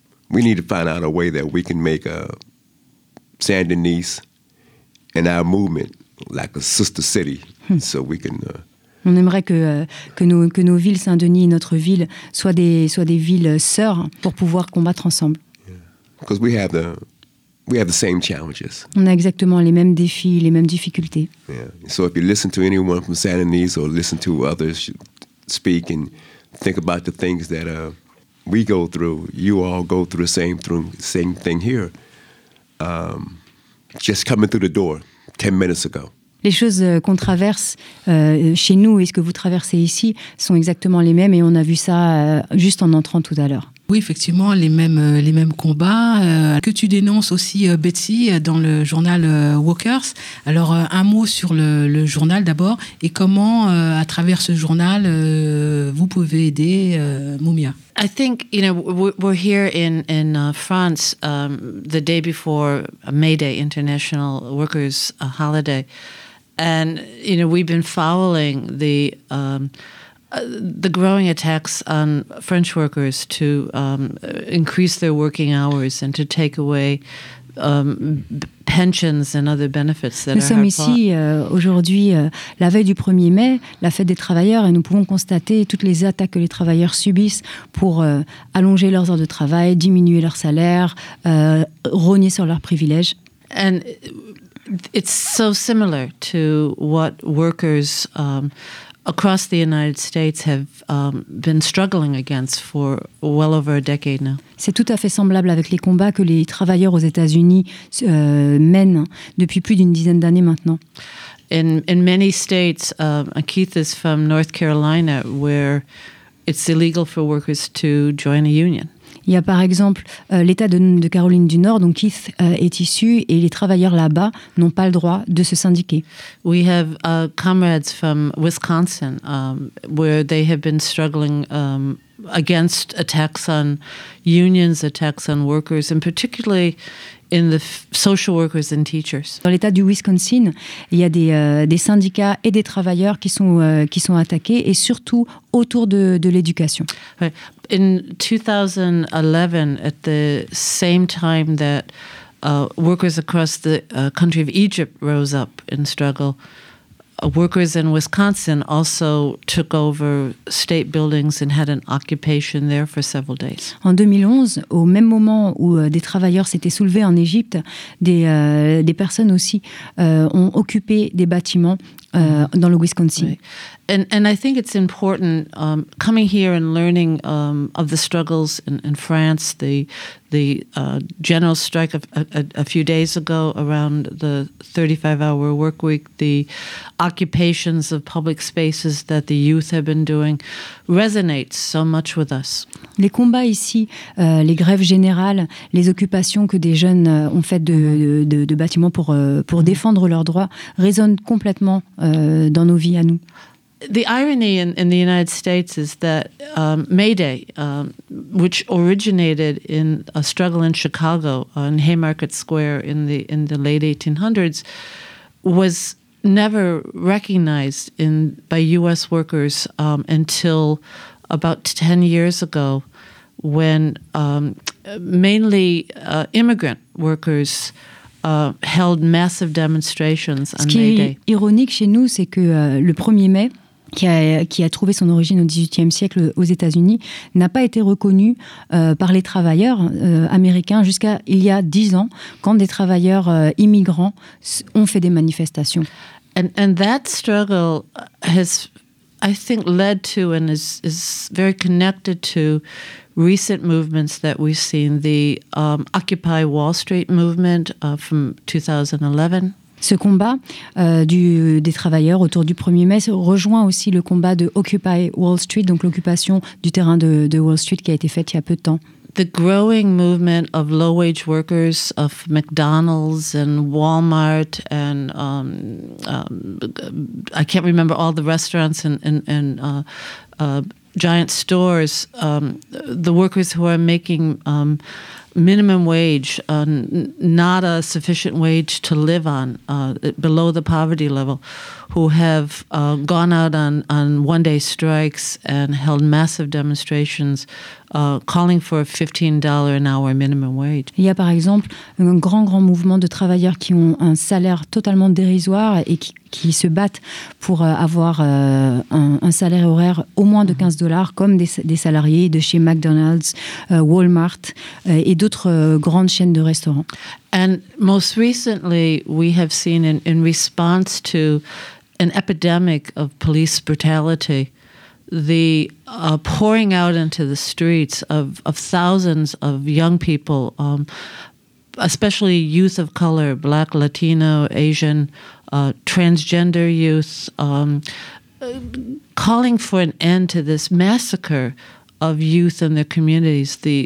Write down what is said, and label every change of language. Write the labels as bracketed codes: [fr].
[en] We need to find out a way that we can make Saint-Denis and our movement like a sister city, so we can. [fr] On aimerait que nos villes Saint-Denis et notre ville soient des villes sœurs pour pouvoir combattre ensemble. [en] Because we have the same challenges. [fr] On a exactement les mêmes défis, les mêmes difficultés. [en] Yeah. So if you listen to anyone from Saint-Denis or listen to others speak and think about the things that we go through, you all go through the same thing here. Just coming through the door 10 minutes ago. [fr] Les choses qu'on traverse chez nous et ce que vous traversez ici sont exactement les mêmes et on a vu ça juste en entrant tout à l'heure. Oui, effectivement, les mêmes combats que tu dénonces aussi, Betsy, dans le journal Walkers. Alors, un mot sur le journal d'abord et comment, à travers ce journal, vous pouvez aider Mumia. [en] I think, you know, we're here in France the day before May Day, International Workers' Holiday. And, you know, we've been following the growing attacks on French workers to increase their working hours and to take away pensions and other benefits that [fr] nous sommes ici aujourd'hui la veille du 1er mai, la fête des travailleurs, et nous pouvons constater toutes les attaques que les travailleurs subissent pour allonger leurs heures de travail, diminuer leur salaire, rogner sur leurs privilèges. [en] And it's so similar to what workers across the United States have been struggling against for well over a decade now. [fr] C'est tout à fait semblable avec les combats que les travailleurs aux États-Unis mènent depuis plus d'une dizaine d'années maintenant. [en] In many states, Keith is from North Carolina, where it's illegal for workers to join a union. [fr] Il y a par exemple l'État de Caroline du Nord, dont Keith est issu, et les travailleurs là-bas n'ont pas le droit de se syndiquer. [en] We have comrades from Wisconsin, where they have been struggling against attacks on unions, attacks on workers, and particularly in the social workers and teachers. [fr] Dans l'État du Wisconsin, il y a des syndicats et des travailleurs qui sont attaqués, et surtout autour de l'éducation. [en] Right. In 2011, at the same time that workers across the country of Egypt rose up in struggle, workers in Wisconsin also took over state buildings and had an occupation there for several days. [fr] En 2011, au même moment où des travailleurs s'étaient soulevés en Égypte, des personnes aussi ont occupé des bâtiments dans le Wisconsin. [en] Right. And I think it's important coming here and learning of the struggles in France, the general strike of a few days ago around the 35-hour work week, the occupations of public spaces that the youth have been doing, resonates so much with us. [fr] Les combats ici, les grèves générales, les occupations que des jeunes ont faites de bâtiments pour défendre leurs droits résonnent complètement dans nos vies à nous. [en] The irony in the United States is that May Day, which originated in a struggle in Chicago on Haymarket Square in the late 1800s, was never recognized by U.S. workers until about 10 years ago, when mainly immigrant workers held massive demonstrations on May Day. [fr] Ce qui est ironique chez nous, c'est que le 1er mai, qui a trouvé son origine au XVIIIe siècle aux États-Unis, n'a pas été reconnue par les travailleurs américains jusqu'à il y a 10 ans, quand des travailleurs immigrants ont fait des manifestations. [en] And that struggle has, I think, led to and is very connected to recent movements that we've seen, the Occupy Wall Street movement from 2011. [fr] Ce combat des travailleurs autour du 1er mai rejoint aussi le combat de Occupy Wall Street, donc l'occupation du terrain de Wall Street qui a été faite il y a peu de temps. [en] The growing movement of low-wage workers of McDonald's and Walmart and I can't remember all the restaurants and giant stores, the workers who are making minimum wage, not a sufficient wage to live on, below the poverty level, who have gone out on one-day strikes and held massive demonstrations calling for a $15 an hour minimum wage. [fr] Il y a par exemple un grand, grand mouvement de travailleurs qui ont un salaire totalement dérisoire et qui se battent pour avoir un salaire horaire au moins de $15, comme des salariés de chez McDonald's, Walmart et d'autres grandes chaînes de restaurants. [en] And most recently, we have seen in response to an epidemic of police brutality, the pouring out into the streets of thousands of young people, especially youth of color, Black, Latino, Asian, transgender youth, calling for an end to this massacre of youth in their communities.